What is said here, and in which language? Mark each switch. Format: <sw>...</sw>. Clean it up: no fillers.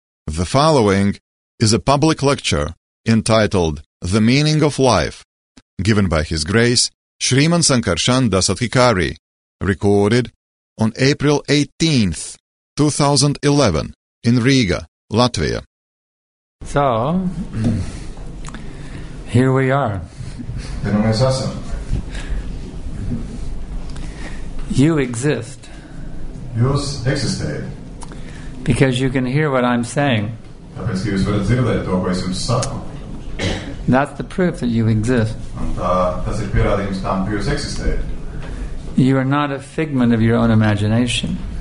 <en>The following is a public lecture entitled The Meaning of Life, given by His Grace Sriman Sankarshan Dasadhikari, recorded on April 18th, 2011, in Riga, Latvia. So, here we are. You exist.</en> <lv>Jūs existē.</lv> <en>Because you can hear what I'm saying.</en> <lv>Tāpēc, ka jūs varat dzirdēt to, ko es jums saku.</lv> <en>That's the proof that you exist.</en> <lv>Un tā, tas ir pierādījums tam, ka jūs eksistējat.</lv> <en>You are not a figment of your own imagination.</en>